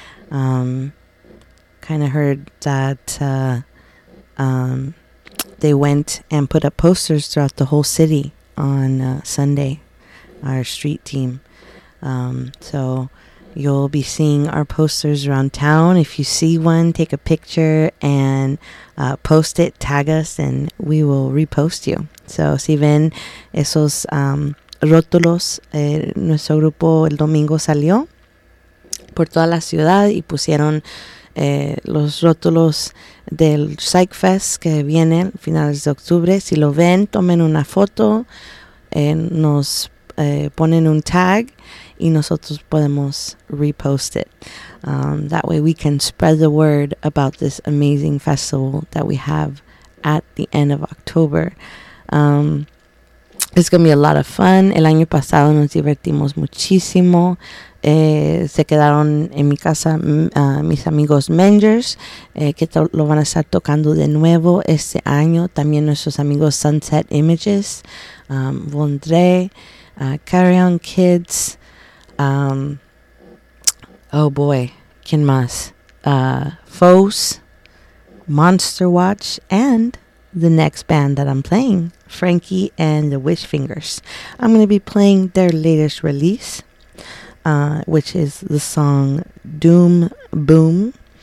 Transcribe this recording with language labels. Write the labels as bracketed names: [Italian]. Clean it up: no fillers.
[English] Kind of heard that they went and put up posters throughout the whole city on Sunday, our street team. So, you'll be seeing our posters around town. If you see one, take a picture and post it, tag us, and we will repost you. [Spanish] So, si ven esos rótulos, nuestro grupo el domingo salió por toda la ciudad y pusieron los rótulos del Psych Fest que viene a finales de octubre. Si lo ven, tomen una foto, nos ponen un tag y nosotros podemos [English] repost it. That way we can spread the word about this amazing festival that we have at the end of October. It's going to be a lot of fun. [Spanish] El año pasado nos divertimos muchísimo. Se quedaron en mi casa mis amigos Mangers, que lo van a estar tocando de nuevo este año. También nuestros amigos Sunset Images, Vondré, Carry On Kids. [English] Oh boy, [Spanish] ¿quién más? [English] Foes, Monster Watch, and the next band that I'm playing, Frankie and the Wishfingers. I'm going to be playing their latest release, which is the song Doom Boom.